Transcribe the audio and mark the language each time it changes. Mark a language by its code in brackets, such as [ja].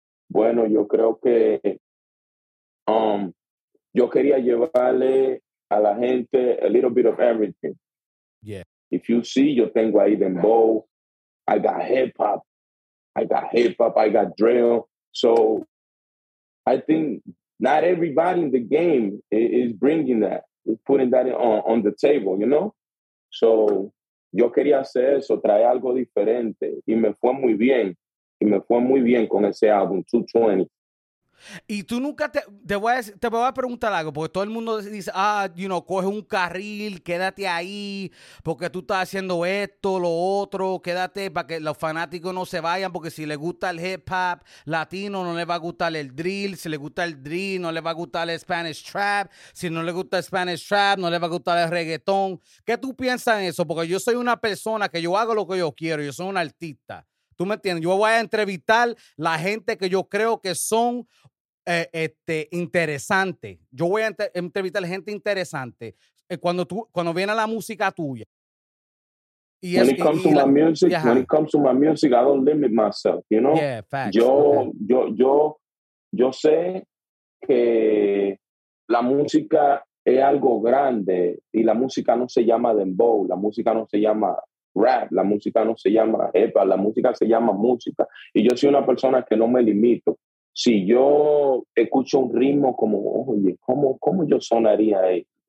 [es] Bueno, yo creo que yo quería llevarle a la gente [en] a little bit of everything. Yeah. If you see, [es] yo tengo ahí dembow. [en] I got hip hop. I got drill. So I think not everybody in the game is bringing that, is putting that on the table, you know? [es] So, yo quería hacer eso, traer algo diferente. Y me fue muy bien con ese álbum, 220. Y tú nunca te voy a preguntar algo, porque todo el mundo dice, you know, coge un carril, quédate ahí, porque tú estás haciendo esto, lo otro, quédate para que los fanáticos no se vayan, porque si le gusta el hip hop latino, no le va a gustar el drill, si le gusta el drill, no le va a gustar el Spanish trap, si no le gusta el Spanish trap, no le va a gustar el reggaetón. ¿Qué tú piensas en eso? Porque yo soy una persona que yo hago lo que yo quiero, yo soy un artista. ¿Tú me entiendes? Yo voy a entrevistar la gente que yo creo que son interesantes. Yo voy a entrevistar gente interesante cuando viene la música tuya. [en] When it comes to my music, I don't limit myself, you know? Yeah, facts. [es] Yo sé que la música es algo grande y la música no se llama dembow, la música no se llama rap, la música no se llama epa, la música se llama música. Y yo soy una persona que no me limito. Si yo escucho un ritmo como, oye, ¿cómo yo sonaría ahí?